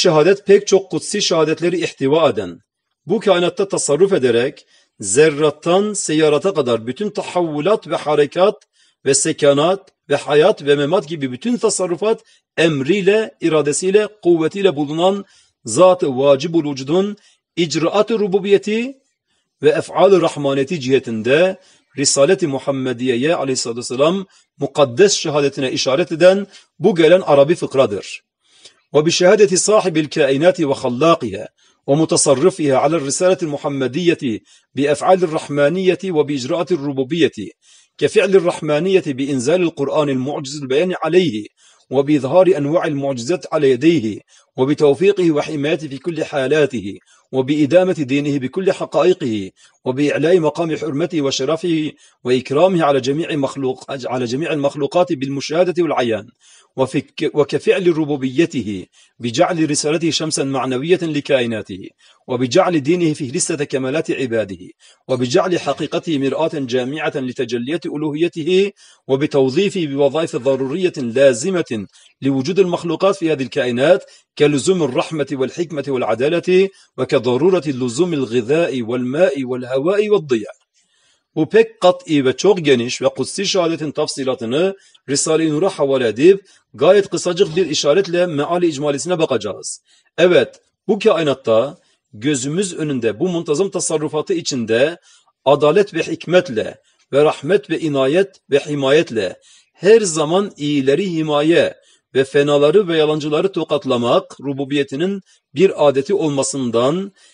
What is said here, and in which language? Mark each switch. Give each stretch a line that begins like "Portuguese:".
Turkish: şehadet pek çok kutsi şehadetleri ihtiva eden, bu kainatta tasarruf ederek zerrattan seyyarata kadar bütün tahavvulat ve harekat ve sekanat ve hayat ve memat gibi bütün tasarrufat emriyle, iradesiyle, kuvvetiyle bulunan zat-ı vacibul vücudun icraat-ı rububiyeti ve ef'al-ı rahmaniyeti cihetinde Risalet-i Muhammediye'ye aleyhissalatü vesselam mukaddes şehadetine işaret eden bu gelen Arabi fıkradır.
Arabic: وَبِشَهَدَةِ صَاحِبِ الْكَائِنَاتِ وَخَلَّاقِهَا وَمُتَصَرِّفِهَا عَلَى الرِّسَالَةِ الْمُحَمَّدِيَّةِ بِأَفْعَالِ الرَّحْمَانِيَّةِ وَبِإِجْرَاءَاتِ الرُّبُوبِيَّةِ كَفِعْلِ الرَّحْمَانِيَّةِ بِإِنْزَالِ الْقُرْآنِ الْمُعْجِزِ الْبَيَانِ عَلَيْهِ وَبِإِظْهَارِ أَنْوَاعِ الْمُعْجِزَاتِ عَلَى يَدَيْهِ وَبِتَوْفِيقِهِ وَحِمَايَتِهِ فِي كُلِّ حَالَاتِهِ وَبِإِدَامَةِ دِينِهِ بِكُلِّ حَقَائِقِهِ وَبِإِعْلَاءِ مَقَامِ حُرْمَتِهِ وَشَرَفِهِ وَإِكْرَامِهِ عَلَى جَمِيعِ الْمَخْلُوقَاتِ بِالْمُشَاهَدَةِ وَالْعَيَانِ وكفعل ربوبيته بجعل رسالته شمسا معنوية لكائناته وبجعل دينه في لسة كمالات عباده وبجعل حقيقته مرآة جامعة لتجلية ألوهيته وبتوظيفه بوظائف ضرورية لازمة لوجود المخلوقات في هذه الكائنات كلزوم الرحمة والحكمة والعدالة وكضرورة لزوم الغذاء والماء والهواء والضياء.
Turkish: Bu pek kat'i ve çok geniş ve kutsi şehadetin tafsilatını Risale-i Nur'a havale edip gayet kısacık bir işaretle meali icmalisine bakacağız. Evet, bu kainatta gözümüz önünde bu muntazam tasarrufatı içinde adalet ve hikmetle ve rahmet ve inayet ve himayetle her zaman iyileri himaye ve fenaları ve yalancıları tokatlamak rububiyetinin bir adeti olmasından